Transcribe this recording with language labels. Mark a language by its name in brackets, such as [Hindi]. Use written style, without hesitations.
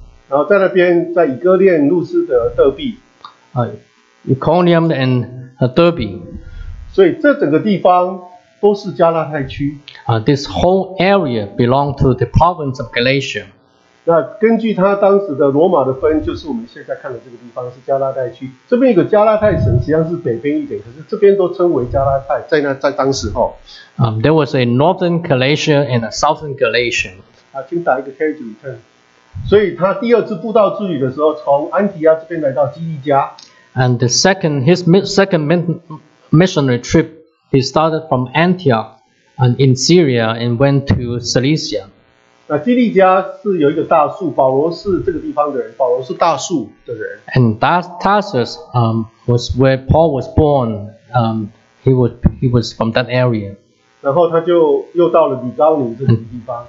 [Chinese] 然后在那边在以哥念、路斯德、德比。 [English] Iconium and Derby. [Chinese] 所以这整个地方都是加拉太区。 [English] This whole area belonged to the province of Galatia. [Chinese] 那根据他当时的罗马的分，就是我们现在看的这个地方是加拉太区。这边有个加拉太省，实际上是北边一点，可是这边都称为加拉太。在当时候。 [English] There was a northern Galatia and a southern Galatia. [Chinese] 请打一个 [English] carriage return。 [Chinese] 所以他第二次布道之旅的时候，从安提亚这边来到基利加。 [English] And the second his second missionary trip. He started from Antioch and in Syria and went to Cilicia. [Chinese] 那基利加是有一个大树，保罗是这个地方的人，保罗是大树的人。 [English] And Tarsus was where Paul was born. He was from that area. [Chinese] 然后他就又到了吕高宁这个地方。